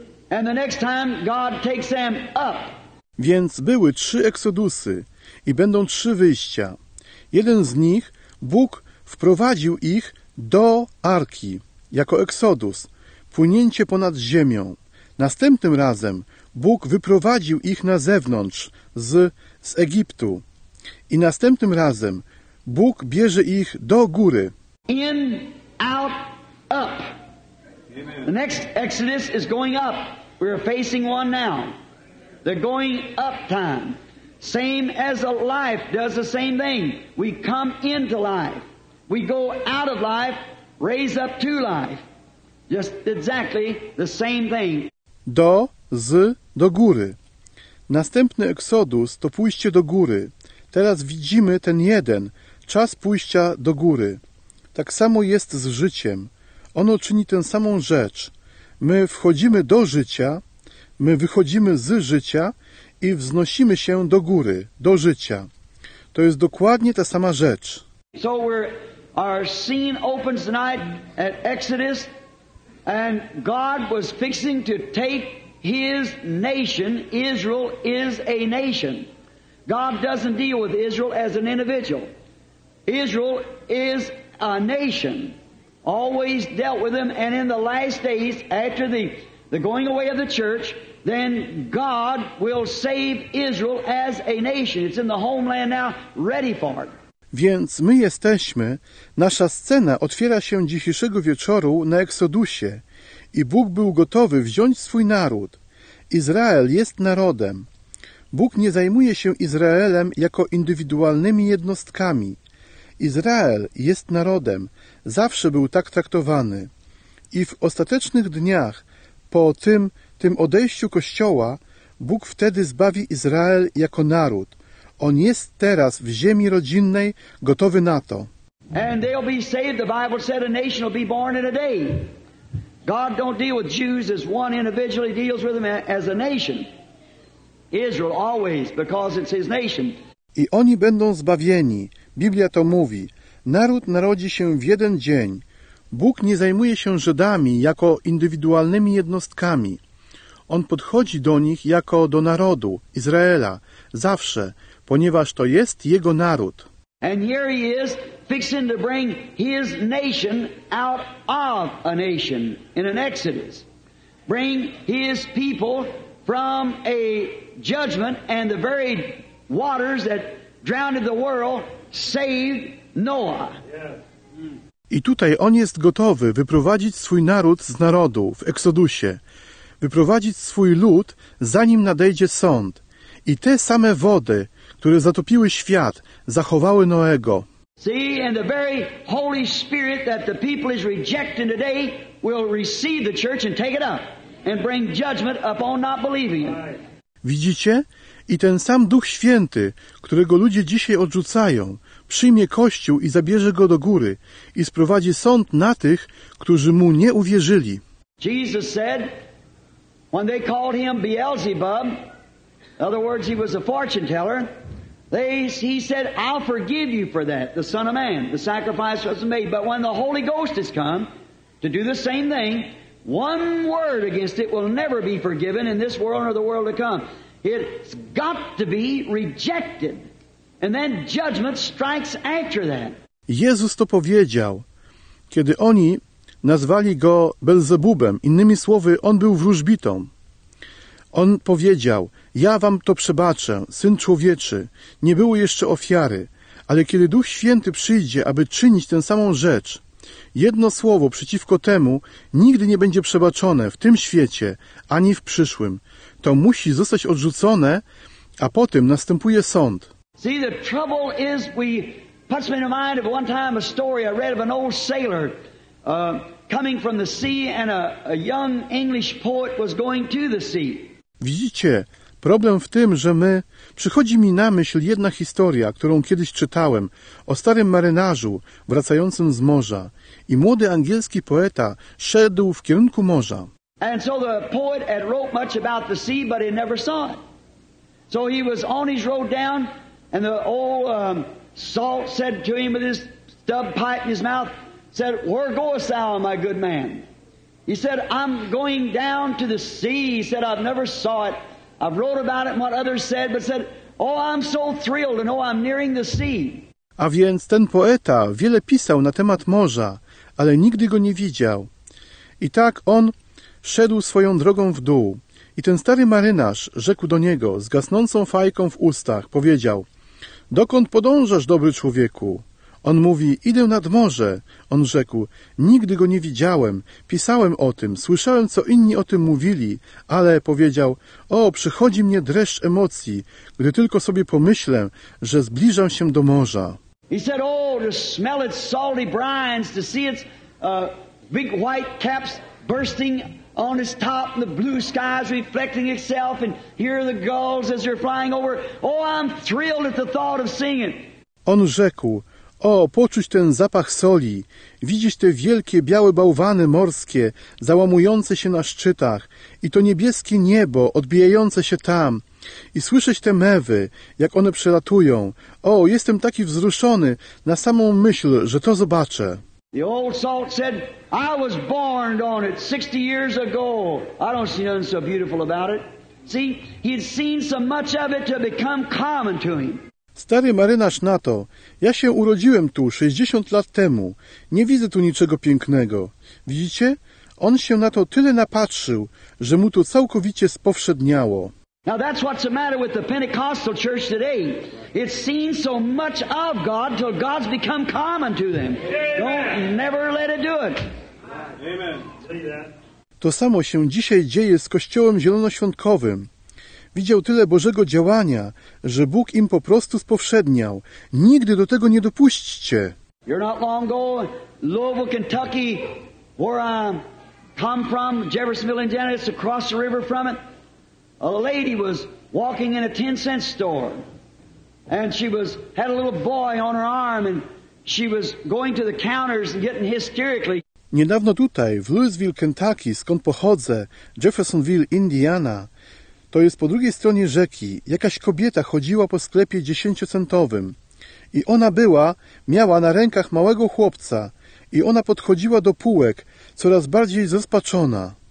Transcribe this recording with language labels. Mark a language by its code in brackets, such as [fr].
[en] And the next time, God takes them up. [pl] Więc były trzy exodusy. I będą trzy wyjścia. Jeden z nich, Bóg wprowadził ich do Arki, jako Exodus, płynięcie ponad ziemią. Następnym razem Bóg wyprowadził ich na zewnątrz, z Egiptu. I następnym razem Bóg bierze ich do góry. [en] In, out, up. Amen. The next Exodus is going up. We are facing one now. They're going up time. Same as a life does the same thing. We come into life. We go out of life, raise up to life. Just exactly the same thing. [pl] Do, z, do góry. Następny Exodus to pójście do góry. Teraz widzimy ten jeden, czas pójścia do góry. Tak samo jest z życiem. Ono czyni tę samą rzecz. My wchodzimy do życia, my wychodzimy z życia, i wznosimy się do góry, do życia. To jest dokładnie ta sama rzecz. [en] So our scene opens tonight at Exodus, and God was fixing to take his nation. Israel is a nation. God doesn't deal with Israel as an individual. Israel is a nation. Always dealt with them, and in the last days, after the going away of the church, then God will save Israel as a nation. It's in the homeland now, ready for it. [pl] Więc my jesteśmy, nasza scena otwiera się dzisiejszego wieczoru na Eksodusie i Bóg był gotowy wziąć swój naród. Izrael jest narodem. Bóg nie zajmuje się Izraelem jako indywidualnymi jednostkami. Izrael jest narodem, zawsze był tak traktowany. I w ostatecznych dniach, po tym odejściu Kościoła, Bóg wtedy zbawi Izrael jako naród. On jest teraz w ziemi rodzinnej, gotowy na to. [en] And they'll be saved, the Bible said a nation will be born in a day. God don't deal with Jews as one individual, he deals with them as a nation. Israel always, because it's his nation. [pl] I oni będą zbawieni. Biblia to mówi. Naród narodzi się w jeden dzień. Bóg nie zajmuje się Żydami jako indywidualnymi jednostkami. On podchodzi do nich jako do narodu, Izraela, zawsze, ponieważ to jest jego naród. [en] And here he is, fixing to bring his nation out of a nation in an exodus. Bring his people from a judgment and the very waters that drowned the world saved Noah. [pl] I tutaj on jest gotowy wyprowadzić swój naród z narodu w Eksodusie, wyprowadzić swój lud, zanim nadejdzie sąd. I te same wody, które zatopiły świat, zachowały Noego. [en] See, and the very Holy Spirit that the people is rejecting today will receive the church and take it up and bring judgment upon not believing him. [pl] Widzicie? I ten sam Duch Święty, którego ludzie dzisiaj odrzucają, przyjmie Kościół i zabierze go do góry i sprowadzi sąd na tych, którzy mu nie uwierzyli. [en] Jesus said, when they called him Beelzebub, in other words, he was a fortune teller, he said, I'll forgive you for that, the Son of Man, the sacrifice was made. But when the Holy Ghost has come to do the same thing, one word against it will never be forgiven in this world or the world to come. It's got to be rejected. And then judgment strikes after that. [pl] Jezus to powiedział, kiedy oni nazwali go Belzebubem. Innymi słowy, on był wróżbitą. On powiedział, ja wam to przebaczę, Syn Człowieczy. Nie było jeszcze ofiary, ale kiedy Duch Święty przyjdzie, aby czynić tę samą rzecz, jedno słowo przeciwko temu nigdy nie będzie przebaczone w tym świecie, ani w przyszłym. To musi zostać odrzucone, a potem następuje sąd. [en] See, the trouble is, we puts me in mind of one time a story I read of an old sailor coming from the sea, and a young English poet was going to the sea. [pl] Widzicie, problem w tym, że my przychodzi mi na myśl jedna historia, którą kiedyś czytałem, o starym marynarzu wracającym z morza, i młody angielski poeta szedł w kierunku morza. [en] And so the poet had wrote much about the sea, but he never saw it. So he was on his road down. And the old salt said to him with his stub pipe in his mouth, said, where goest thou, my good man? He said, I'm going down to the sea. He said, I've never saw it. I've wrote about it and what others said, but said, oh, I'm so thrilled to know I'm nearing the sea. [pl] A więc ten poeta wiele pisał na temat morza, ale nigdy go nie widział. I tak on szedł swoją drogą w dół. I ten stary marynarz rzekł do niego z gasnącą fajką w ustach, powiedział, dokąd podążasz, dobry człowieku? On mówi, idę nad morze. On rzekł, nigdy go nie widziałem, pisałem o tym, słyszałem, co inni o tym mówili, ale powiedział, o, przychodzi mnie dreszcz emocji, gdy tylko sobie pomyślę, że zbliżam się do morza. [en] He said, oh, to smell its salty brines, to see its big white caps bursting on its top, and the blue skies reflecting itself, and hear the gulls as they're flying over. Oh, I'm thrilled at the thought of seeing it. [pl] On rzekł, o, poczuć ten zapach soli, widzisz te wielkie, białe bałwany morskie, załamujące się na szczytach, i to niebieskie niebo odbijające się tam, i słyszeć te mewy, jak one przelatują. O, jestem taki wzruszony na samą myśl, że to zobaczę. [en] The old salt said, I was born on it 60 years ago. I don't see nothing so beautiful about it. See, he had seen so much of it to become common to him. [pl] Stary marynarz na to, ja się urodziłem tu 60 lat temu. Nie widzę tu niczego pięknego. Widzicie? On się na to tyle napatrzył, że mu to całkowicie spowszedniało. [en] Now that's what's the matter with the Pentecostal church today. It's seen so much of God till God's become common to them. Don't never let it do it. Amen. [pl] To samo się dzisiaj dzieje z Kościołem Zielonoświątkowym. Widział tyle Bożego działania, że Bóg im po prostu spowszedniał. Nigdy do tego nie dopuśćcie. [en] You're not long ago, Louisville, Kentucky, where I come from, Jeffersonville, Indiana, it's across the river from it. A lady was walking in a 10-cent store, and she was had a little boy on her arm, and she was going to the counters and getting hysterically. [pl] Niedawno tutaj, w Louisville, Kentucky, skąd pochodzę, Jeffersonville, Indiana, to jest po drugiej stronie rzeki, jakaś kobieta chodziła po sklepie 10-centowym. I ona była, miała na rękach małego chłopca, i ona podchodziła do półek, coraz bardziej zrozpaczona.